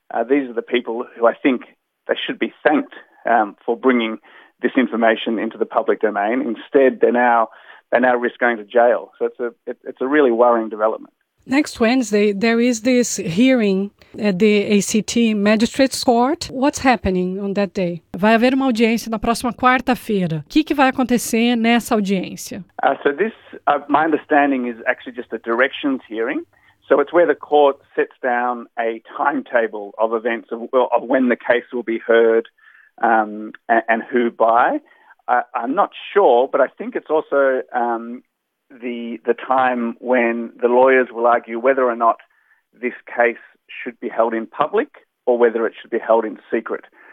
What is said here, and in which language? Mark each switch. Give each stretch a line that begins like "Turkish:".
English: These are the people who I think they should be thanked for bringing this information into the public domain. Instead, they now risk going to jail. So it's a really worrying development. Next Wednesday, there is this hearing at the ACT Magistrates Court. What's happening on that day?
Portuguese: Vai haver uma audiência na próxima quarta-feira. O que que vai acontecer nessa audiência?
English: My understanding is actually just a directions hearing. So it's where the court sets down a timetable of events of when the case will be heard and who by. I'm not sure, but I think it's also the time when the lawyers will argue whether or not this case should be held in public or whether it should be held in secret.